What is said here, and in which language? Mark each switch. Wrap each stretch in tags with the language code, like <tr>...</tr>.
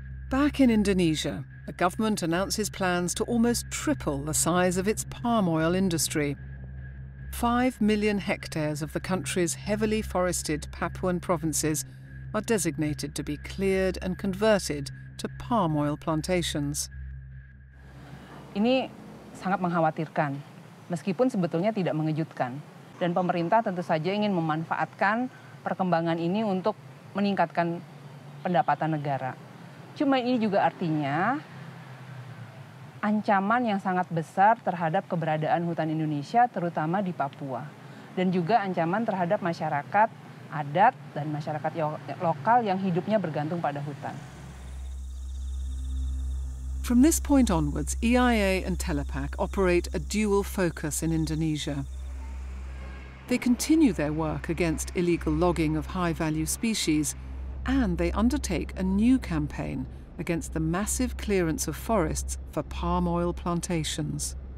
<en>Back in Indonesia, the government announces plans to almost triple the size of its palm oil industry. 5 million hectares of the country's heavily forested Papuan provinces are designated to be cleared and converted to palm oil plantations.</en> <id>Ini sangat mengkhawatirkan, meskipun sebetulnya tidak mengejutkan. Dan pemerintah tentu saja ingin memanfaatkan perkembangan ini untuk meningkatkan pendapatan negara. Cuma ini juga artinya ancaman yang sangat besar terhadap keberadaan hutan Indonesia, terutama di Papua. Dan juga ancaman terhadap masyarakat adat dan masyarakat lokal yang hidupnya bergantung pada hutan.</id> <en>From this point onwards, EIA and Telapak operate a dual focus in Indonesia. They continue their work against illegal logging of high-value species, and they undertake a new campaign against the massive clearance of forests for palm oil plantations.</en>